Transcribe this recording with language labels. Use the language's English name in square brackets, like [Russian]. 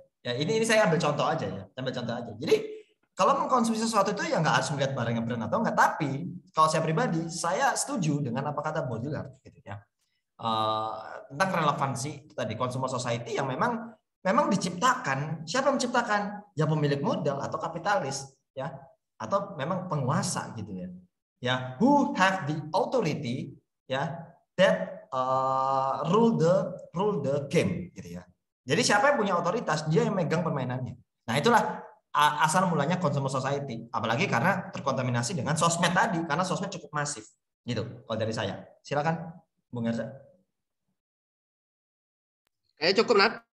[Indonesian] Ya ini saya ambil contoh aja ya, ambil contoh aja. Jadi kalau mengkonsumsi sesuatu itu ya enggak harus melihat barangnya brand atau enggak, tapi kalau saya pribadi saya setuju dengan apa kata Baudrillard gitu ya. Tentang relevansi tadi consumer society yang memang diciptakan, siapa yang menciptakan? Ya pemilik modal atau kapitalis ya, atau memang penguasa gitu ya. [English] Ya, who have the authority ya that rule the game gitu ya. [Indonesian] Jadi siapa yang punya otoritas, dia yang megang permainannya. Nah, itulah asal mulanya consumer society, apalagi karena terkontaminasi dengan sosmed tadi, karena sosmed cukup masif gitu. Kalau dari saya, silakan Bung Erza. Kayaknya cukup Nat.